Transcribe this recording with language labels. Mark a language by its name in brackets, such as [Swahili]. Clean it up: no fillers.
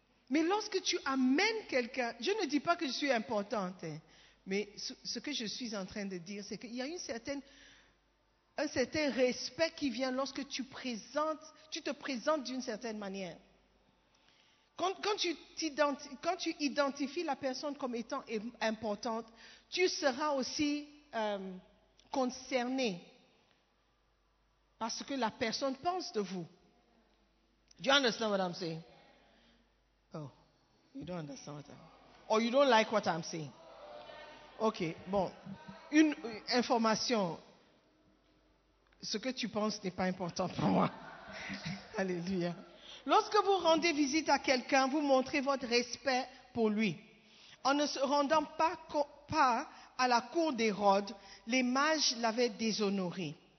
[French] Mais lorsque tu amènes quelqu'un, je ne dis pas que je suis importante, hein, mais ce que je suis en train de dire, c'est qu'il y a un certain respect qui vient lorsque tu te présentes d'une certaine manière. Quand tu identifies la personne comme étant importante, tu seras aussi concerné par ce que la personne pense de vous. [English] Do you understand what I'm saying? Oh, you don't understand what I'm saying. Or you don't like what I'm saying. [French] Ok, bon. Une information. Ce que tu penses n'est pas important pour moi. Alléluia. Lorsque vous rendez visite à quelqu'un, vous montrez votre respect pour lui. En ne se rendant pas à la cour d'Hérode, les mages l'avaient déshonoré.